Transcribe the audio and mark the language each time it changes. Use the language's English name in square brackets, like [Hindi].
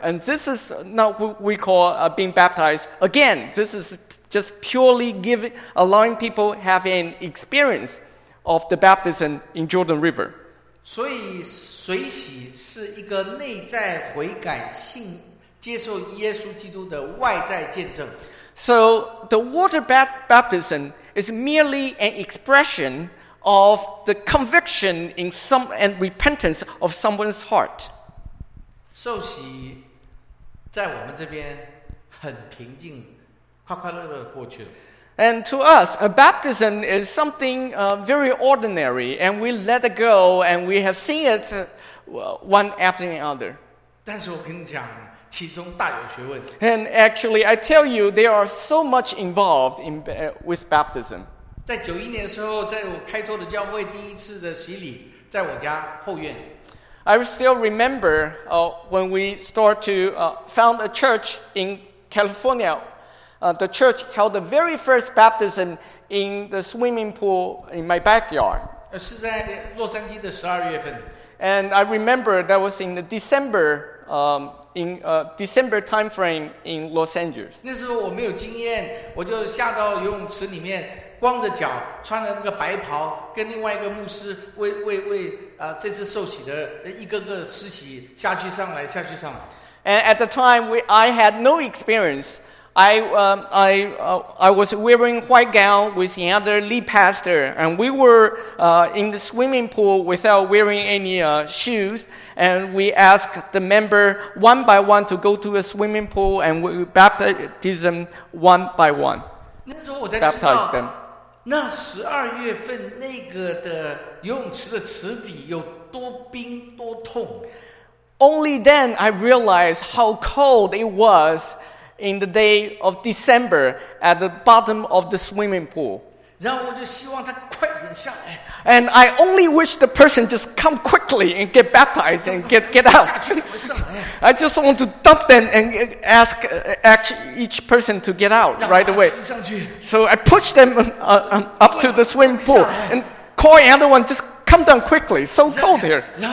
[English] And this is not what we call being baptized. Again, this is just purely allowing people have an experience of the baptism in Jordan River. [Chinese] 所以水洗是一个内在悔改信接受耶稣基督的外在见证。 [English] So the water baptism is merely an expression of the conviction in some and repentance of someone's heart. [Chinese] 受洗在我们这边很平静，快快乐乐过去了。 [English] And to us, a baptism is something very ordinary, and we let it go, and we have seen it one after the other. [Chinese] 但是我跟你讲，其中大有学问。 [English] And actually, I tell you, there are so much involved in with baptism. [Chinese] 在九一年的时候，在我开拓的教会第一次的洗礼，在我家后院。 [English] I still remember when we start to found a church in California. The church held the very first baptism in the swimming pool in my backyard. [Chinese] 是在洛杉矶的十二月份。 [English] And I remember that was in the December, December time frame in Los Angeles. [Chinese] 那时候我没有经验，我就下到游泳池里面。光着脚，穿着那个白袍，跟另外一个牧师为这次受洗的一个个施洗下去上来下去上来。 [English] And at the time, I had no experience. I was wearing white gown with the other lead pastor, and we were in the swimming pool without wearing any shoes. And we asked the member one by one to go to a swimming pool and we baptize them one by one. [Chinese] 那时候我才知道。那十二月份那个的游泳池的池底有多冰多痛。 [English] Only then I realized how cold it was in the day of December at the bottom of the swimming pool. [Chinese] 然后我就希望他快点下来。 [English] And I only wish the person just come quickly and get baptized and get out. I just want to dump them and ask each person to get out right away. So I push them up to the swimming pool and call everyone, just come down quickly. So cold here.